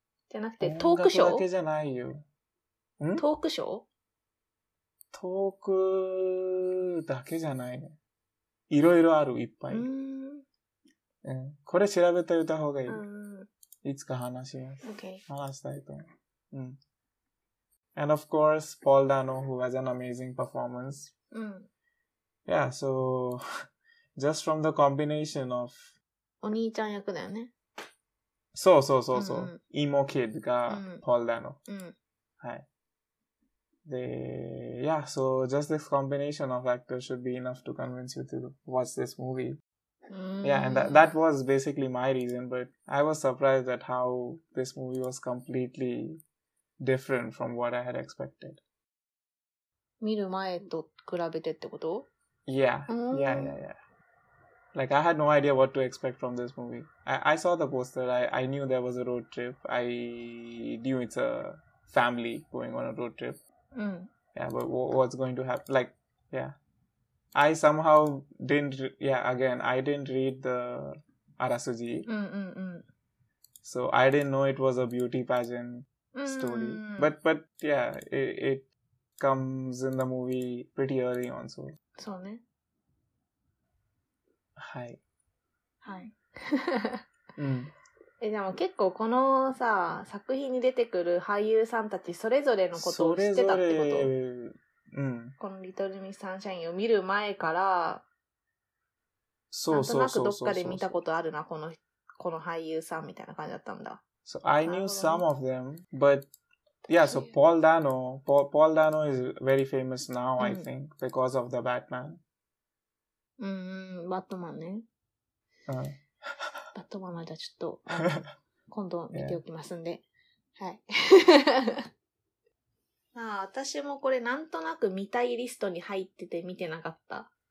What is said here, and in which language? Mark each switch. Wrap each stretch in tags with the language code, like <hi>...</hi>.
<ja>じゃなくて、トークショー？音楽だけじゃないよ。ん？トークショー？トークだけじゃない。いろいろある、いっぱい。うん。これ調べておいた方がいい。うん。いつか話します。</ja> <en>Okay.</en> <ja>話したいと思う。うん。</ja> <en>And of course, Paul Dano, who has an amazing performance.</en> <ja>うん。</ja> <en>Yeah, so, just from the combination of...</en> <ja>お兄ちゃん役だよね。そうそうそうそう。うん、イモキッドが、ポールダノ。はい。</ja> <en>で、yeah, so just this combination of actors should be enough to convince you to watch this movie. Yeah, and that was basically my reason, but I was surprised at how this movie was completely different from what I had expected.</en> <ja>見る前と比べてってこと？</ja> <en>Yeah, yeah, yeah, yeah. Like, I had no idea what to expect from this movie. I saw the poster. I knew there was a road trip. I knew it's a family going on a road trip. Mm. Yeah, but what's going to happen? Like, yeah. I somehow didn't... Yeah, again, I didn't read the arasuji. So, I didn't know it was a beauty pageant story. But yeah, it comes in the movie pretty early on, so... So, ne.</en> <ja>はい。はい。うん。え、でも結構このさ、作品に出てくる俳優さんたちそれぞれのことを知ってたってこと？それぞれ、うん。このリトルミスサンシャインを見る前から、そうそうそう。なんとなくどっかで見たことあるな、この俳優さんみたいな感じだったんだ。</ja> <en>So I knew some of them, but yeah, so Paul Dano, Paul Dano is very famous now, I think, because of the Batman.</en> <ja>うん、バットマンね。うん。バットマンはじゃあちょっと、今度見ておきますんで。</ja> <en>Yeah.</en> <ja>はい。まあ、私もこれなんとなく見たいリストに入ってて見てなかった。</ja>